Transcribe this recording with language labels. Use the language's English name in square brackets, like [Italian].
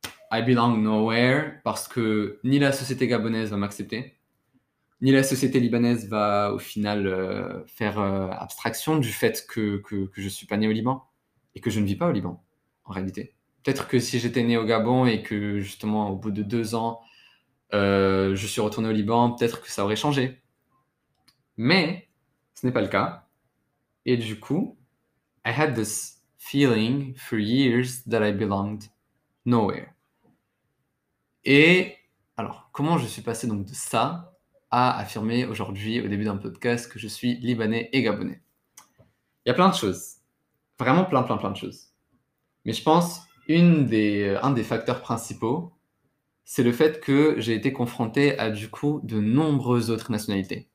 [English] I belong nowhere, [French] parce que ni la société gabonaise va m'accepter, ni la société libanaise va, au final, faire abstraction du fait que je suis pas né au Liban, et que je ne vis pas au Liban, en réalité. Peut-être que si j'étais né au Gabon, et que justement, au bout de 2 ans, je suis retourné au Liban, peut-être que ça aurait changé. Mais ce n'est pas le cas. Et du coup, [English] I had this feeling for years that I belonged nowhere. [French] Et alors, comment je suis passé donc de ça à affirmer aujourd'hui, au début d'un podcast, que je suis libanais et gabonais? Y a plein de choses. Vraiment plein, plein, plein de choses. Mais je pense, un des facteurs principaux, c'est le fait que j'ai été confronté à du coup de nombreuses autres nationalités.